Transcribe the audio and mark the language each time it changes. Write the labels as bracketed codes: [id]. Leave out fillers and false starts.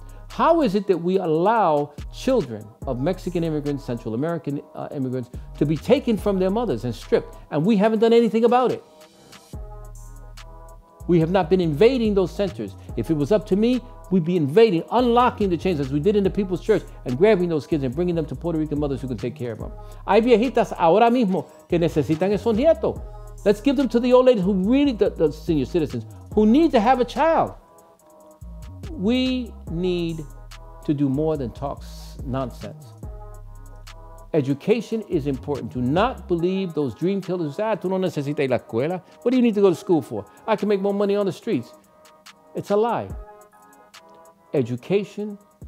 [en] How is it that we allow children of Mexican immigrants, Central American immigrants, to be taken from their mothers and stripped, and we haven't done anything about it? We have not been invading those centers. If it was up to me, we'd be invading, unlocking the chains as we did in the People's Church, and grabbing those kids and bringing them to Puerto Rican mothers who can take care of them. [es] Hay viejitas ahora mismo que necesitan esos nietos. [en] Let's give them to the old ladies who really, the senior citizens, who need to have a child. We need to do more than talk nonsense. Education is important. Do not believe those dream killers. [es] Ah, tú no necesitas la escuela. [en] What do you need to go to school for? I can make more money on the streets. It's a lie. Education